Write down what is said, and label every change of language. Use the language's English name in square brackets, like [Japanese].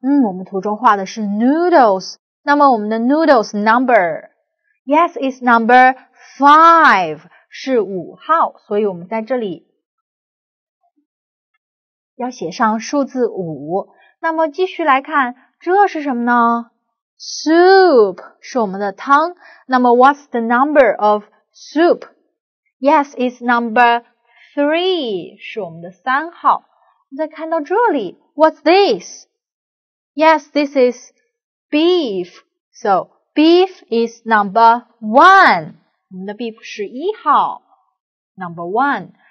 [Chinese] 我们图中画的是 noodles, 那么我们的 noodles number, [English] yes, it's number 5, [Chinese] 是五号，所以我们在这里要写上数字五。那么继续来看，这是什么呢？ soup, 是我们的汤，那么 [English] what's the number of soup? Yes, it's number 3, [Chinese] 是我们的三号。再看到这里 [English] ,what's this? Yes, this is beef. So, beef is number 1. [Chinese] 我们的 beef 是一号 ,number 1.